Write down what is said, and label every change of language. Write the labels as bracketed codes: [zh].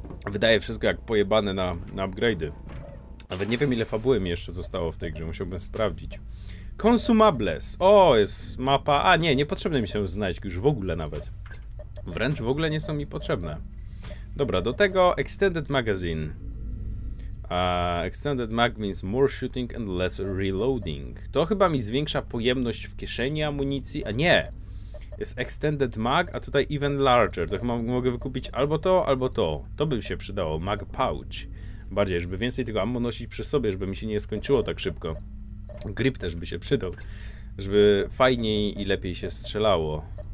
[pl] Wydaje wszystko jak pojebane na upgrade'y. Nawet nie wiem, ile fabuły mi jeszcze zostało w tej grze, musiałbym sprawdzić. Consumables. O, jest mapa. A nie, niepotrzebne mi się znaleźć już w ogóle nawet. Wręcz w ogóle nie są mi potrzebne. Dobra, do tego Extended Magazine. [en] Extended Mag means more shooting and less reloading. [pl] To chyba mi zwiększa pojemność w kieszeni amunicji, a nie. Jest Extended Mag, a tutaj Even Larger. To chyba mogę wykupić albo to, albo to. To by się przydało. Mag Pouch. Bardziej, żeby więcej tego ammo nosić przy sobie, żeby mi się nie skończyło tak szybko. Grip też by się przydał. Żeby fajniej i lepiej się strzelało.